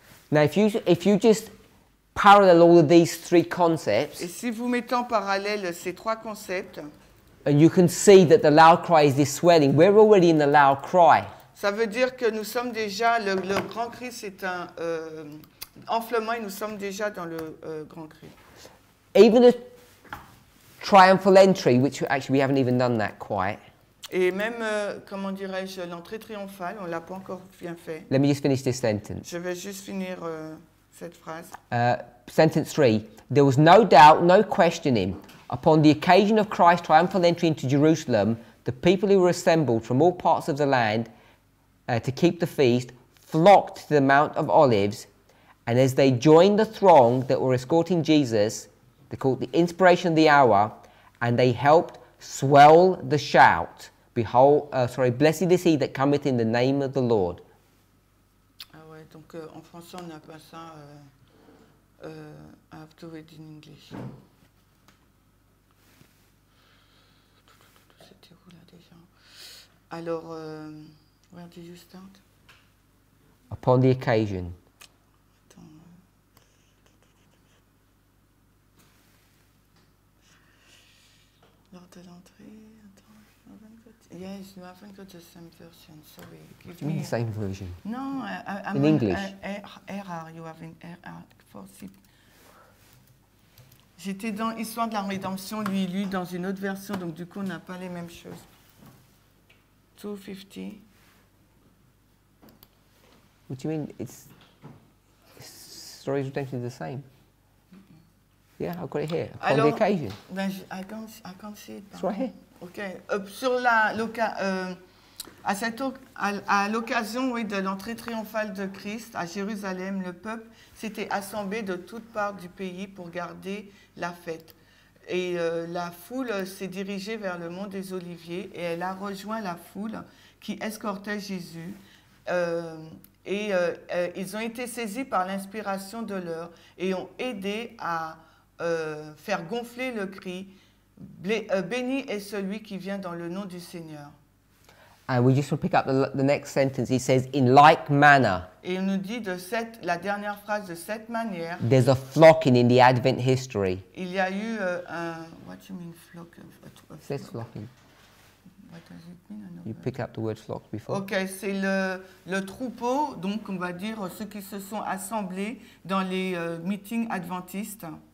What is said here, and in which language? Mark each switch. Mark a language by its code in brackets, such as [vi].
[en] Now if you just parallel all of these three concepts. [fr] Et si vous mettez en parallèle ces trois concepts. [en] And you can see that the loud cry is this swelling. We're already in the loud cry. [fr] Ça veut dire que nous sommes déjà, le grand cri c'est un enflement et nous sommes déjà dans le grand cri. [en] Even the triumphal entry, which actually we haven't even done that quite. [fr] Et même, comment dirais-je, l'entrée triomphale, on ne l'a pas encore bien fait. [en] Let me just finish this sentence. [fr] Je vais juste finir cette phrase. [en] Sentence 3. There was no doubt, no questioning. Upon the occasion of Christ's triumphal entry into Jerusalem, the people who were assembled from all parts of the land to keep the feast flocked to the Mount of Olives, and as they joined the throng that were escorting Jesus, they called the inspiration of the hour, and they helped swell the shout. Blessed is he that cometh in the name of the Lord. [fr] Ah ouais, donc en français on a pas ça. [en] I have to read in English. [fr] C'était où là déjà? Alors, [en] where did you start? Upon the occasion. [fr] Lors de l'entrée, attends, [en] yes, you haven't got the same version, sorry. Give what do you mean, same version? No, I'm in English. Error, you have an error for sip. [fr] J'étais dans Histoire de la Rédemption, lui, dans une autre version, donc du coup, on n'a pas les mêmes choses. 250. [en] What do you mean, it's stories potentially the same? Yeah, I've got it here. On the occasion. I can't see it. It's right here. Okay. [fr] Sur la à cette à l'occasion oui, de l'entrée triomphale de Christ à Jérusalem, le peuple s'était assemblé de toutes parts du pays pour garder la fête. Et la foule s'est dirigée vers le mont des Oliviers et elle a rejoint la foule qui escortait Jésus. Et ils ont été saisis par l'inspiration de l'heure et ont aidé à faire gonfler le cri béni est celui qui vient dans le nom du Seigneur. [en] And we just will pick up the next sentence. He says in like manner. [fr] Et on nous dit de cette la dernière phrase de cette manière. [en] There's a flocking in the Advent history. [fr] Il y a eu un [en] what do you mean flock? Says flocking. What does it mean? You pick up the word flock before. [fr] Okay, c'est le troupeau donc on va dire ceux qui se sont assemblés dans les meetings adventistes.